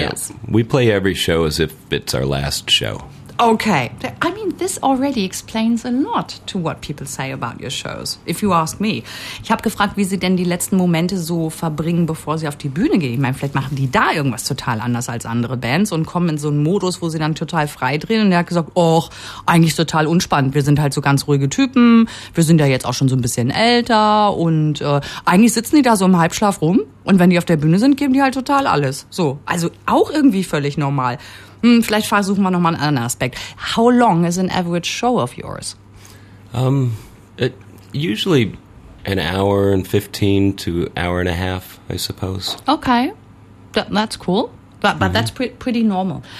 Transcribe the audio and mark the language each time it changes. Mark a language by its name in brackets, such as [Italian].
[English] Yes, we play every show as if it's our last show. Okay, I mean, this already explains a lot to what people say about your shows, if you ask me. [German] Ich habe gefragt, wie sie denn die letzten Momente so verbringen, bevor sie auf die Bühne gehen. Ich meine, vielleicht machen die da irgendwas total anders als andere Bands und kommen in so einen Modus, wo sie dann total frei drehen. Und er hat gesagt, och, eigentlich total unspannend. Wir sind halt so ganz ruhige Typen. Wir sind ja jetzt auch schon so ein bisschen älter. Und eigentlich sitzen die da so im Halbschlaf rum. Und wenn die auf der Bühne sind, geben die halt total alles. So, also auch irgendwie völlig normal. Vielleicht versuchen wir nochmal einen anderen Aspekt. [English] How long is an average show of yours? Usually an hour and 15 to hour and a half, I suppose. Okay, that's cool. But that's pretty normal.